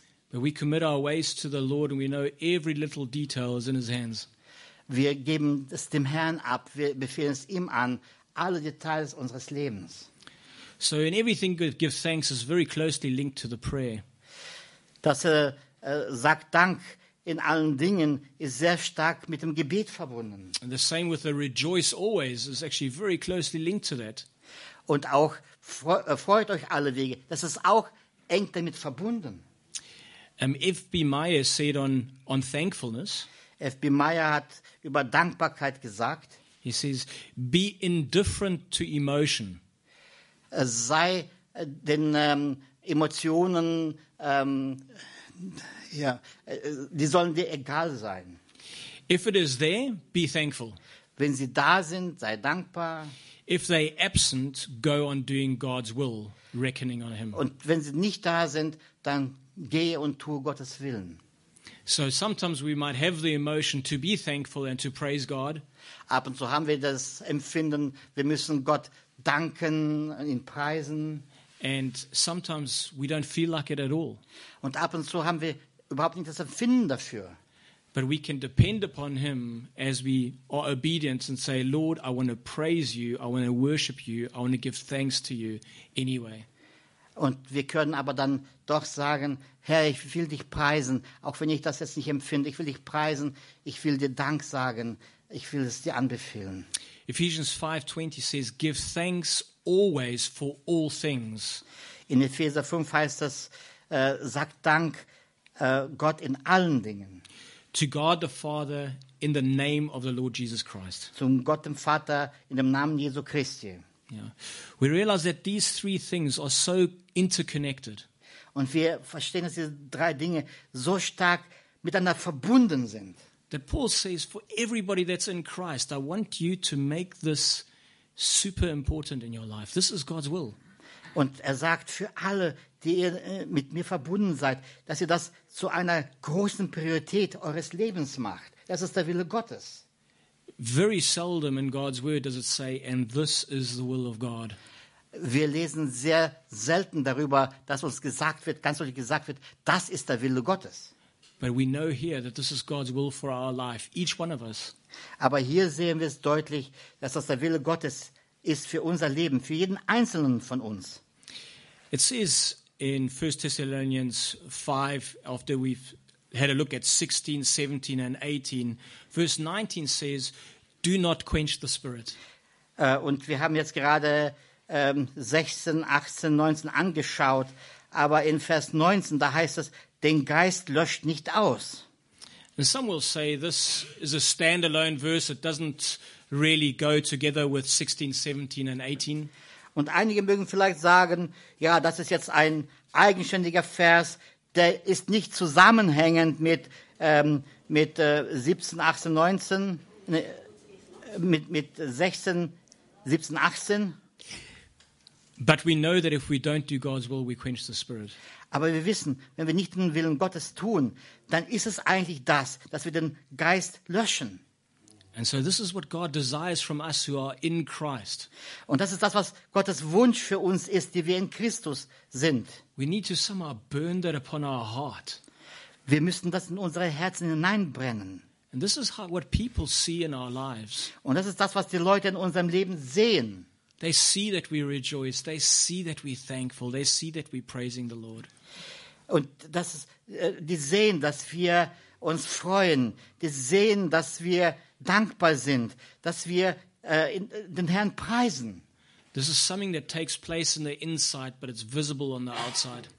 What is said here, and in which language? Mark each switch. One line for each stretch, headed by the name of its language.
English: But we commit our ways to the Lord and we know every little detail is in his hands.
German: Wir geben es dem Herrn ab, wir befehlen es ihm an, alle Details unseres Lebens.
English: So in everything give thanks is very closely linked to the prayer.
German: Dass er sagt Dank in allen Dingen ist sehr stark mit dem Gebet verbunden.
English: And the same with the rejoice always is actually very closely linked to that.
German: Und auch freut euch alle Wege, das ist auch eng damit verbunden.
English: F.B. Meyer said on thankfulness.
German: F.B. Meyer hat über Dankbarkeit gesagt.
English: He says, be indifferent to emotion.
German: Sei den Emotionen, ja, die sollen dir egal sein.
English: If it is there, be thankful.
German: Wenn sie da sind, sei dankbar.
English: If they absent, go on doing God's will, reckoning on him.
German: Und wenn sie nicht da sind, dann gehe und tue Gottes Willen.
English: So sometimes we might have the emotion to be thankful and to praise God.
German: Ab und zu haben wir das Empfinden, wir müssen Gott danken und ihn preisen.
English: And sometimes we don't feel like it at all.
German: Und ab und zu haben wir überhaupt nicht das Empfinden dafür.
English: But we can depend upon him as we are obedient and say, Lord, I want to praise you, I want to worship you, I want to give thanks to you anyway.
German: Und wir können aber dann doch sagen, Herr, ich will dich preisen, auch wenn ich das jetzt nicht empfinde. Ich will dich preisen, ich will dir Dank sagen, ich will es dir anbefehlen.
English: Ephesians 5:20 says, give thanks always for all things.
German: In Epheser 5 heißt es, sagt Dank Gott in allen Dingen.
English: To God the Father in the name of the Lord Jesus Christ.
German: Zum Gott dem Vater in dem Namen Jesu Christi.
English: Yeah. We realize that these three things are so interconnected.
German: Und wir verstehen, dass diese drei Dinge so stark miteinander verbunden sind.
English: That Paul says, for everybody that's in Christ, I want you to make this super important in your life. This is God's will.
German: Und er sagt, für alle, die ihr mit mir verbunden seid, dass ihr das zu einer großen Priorität eures Lebens macht. Das ist der Wille Gottes.
English: Very seldom in God's word does it say, and this is the will of God.
German: Wir lesen sehr selten darüber, dass uns gesagt wird, ganz deutlich gesagt wird, das ist der Wille Gottes.
English: But we know here that this is God's will for our life, each one of us.
German: Aber hier sehen wir es deutlich, dass das der Wille Gottes ist für unser Leben, für jeden einzelnen von uns.
English: It says in 1 Thessalonians 5, after we've had a look at 16, 17 and 18, verse 19 says, do not quench the spirit.
German: Und wir haben jetzt gerade 16, 18, 19 angeschaut, aber in Vers 19, da heißt es, den Geist löscht nicht aus.
English: And some will say, this is a standalone verse, it doesn't really go together with 16, 17 and 18.
German: Und einige mögen vielleicht sagen, ja, das ist jetzt ein eigenständiger Vers, der ist nicht zusammenhängend mit 17, 18, 19, mit 16, 17, 18.
English: But we know that if we don't do God's will, we quench the spirit.
German: Aber wir wissen, wenn wir nicht den Willen Gottes tun, dann ist es eigentlich das, dass wir den Geist löschen.
English: And so this is what God desires from us who are in Christ.
German: Und das ist das, was Gottes Wunsch für uns ist, die wir in Christus sind.
English: We need to somehow burn that upon our heart.
German: Wir müssen das in unsere Herzen hineinbrennen.
English: And this is what people see in our lives.
German: Und das ist das, was die Leute in unserem Leben sehen.
English: They see that we rejoice, they see that we're thankful, they see that we're praising the Lord.
German: Und das ist, die sehen, dass wir uns freuen, die sehen, dass wir dankbar sind, dass wir den Herrn preisen.
English: This is something that takes place in the inside, but it's visible on the outside.